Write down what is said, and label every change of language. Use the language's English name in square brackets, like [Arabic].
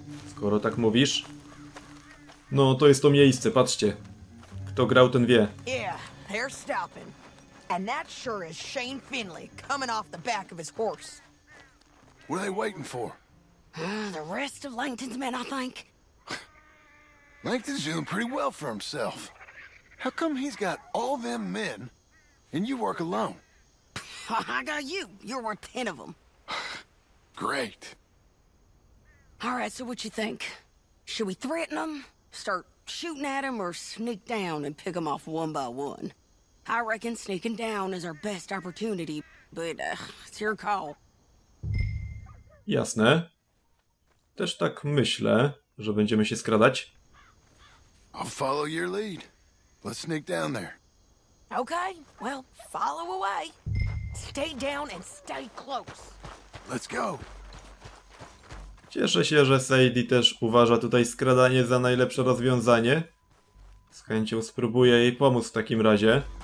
[Polish] Skoro tak mówisz... No, to jest to miejsce, patrzcie. Kto grał, ten wie. [English] Yeah, they're stopping. And that sure is Shane Finley coming off the back of his horse. What are they waiting for? The rest of Langton's men, I think. Langton's doing pretty well for himself. How come he's got all them men and you work alone? I got you. You're worth 10 of them. Great. All right, so what you think? Should we threaten them? Start shooting at him or sneak down and pick him off one by one. I reckon sneaking down is our best opportunity, but it's your call. [Polish] Jasne. Też tak myślę, że będziemy się skradać. [English] I'll follow your lead. Let's sneak down there. Okay, well, follow away. Stay down and stay close. Let's go. [Polish] Cieszę się, że Sadie też uważa tutaj skradanie za najlepsze rozwiązanie. Z chęcią spróbuję jej pomóc w takim razie.